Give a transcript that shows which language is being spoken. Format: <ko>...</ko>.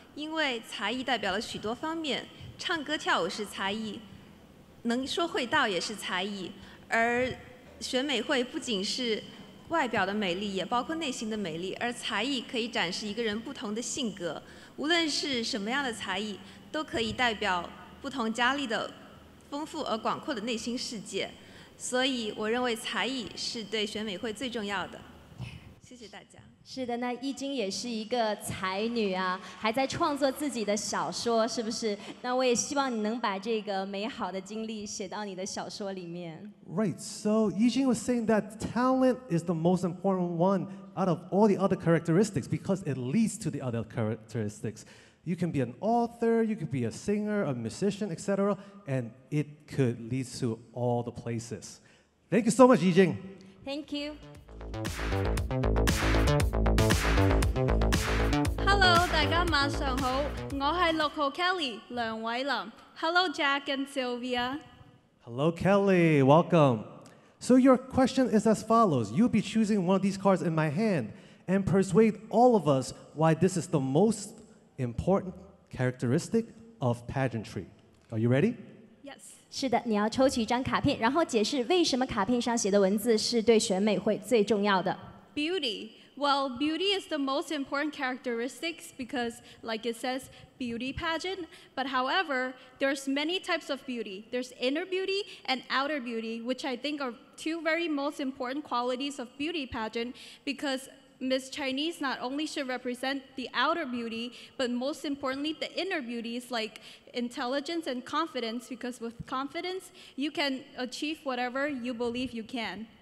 <zh>因为才艺代表了许多方面，唱歌跳舞是才艺，能说会道也是才艺，而选美会不仅是外表的美丽，也包括内心的美丽，而才艺可以展示一个人不同的性格，无论是什么样的才艺，都可以代表不同佳丽的丰富而广阔的内心世界，所以我认为才艺是对选美会最重要的。谢谢大家。是的，那一菁也是一个才女啊，还在创作自己的小说，是不是？那我也希望你能把这个美好的经历写到你的小说里面。</zh> <en>Right, so Yijing was saying that talent is the most important one out of all the other characteristics because it leads to the other characteristics. You can be an author, you could be a singer, a musician, etc., and it could lead to all the places. Thank you so much, Yijing. Thank you. Hello,</en> <zh>大家晚上好，我是六号 Kelly 梁伟林。</zh> <en>Hello, Jack and Sylvia. Hello, Kelly. Welcome. So your question is as follows. You'll be choosing one of these cards in my hand and persuade all of us why this is the most important characteristic of pageantry. Are you ready? Yes.</en> <zh>是的，你要抽取一张卡片，然后解释为什么卡片上写的文字是对选美会最重要的。</zh> <en>Beauty. Well, beauty is the most important characteristics because, like it says, beauty pageant. But however, there's many types of beauty. There's inner beauty and outer beauty, which I think are two very most important qualities of beauty pageant because Miss Chinese not only should represent the outer beauty, but most importantly, the inner beauties like intelligence and confidence, because with confidence, you can achieve whatever you believe you can.</en>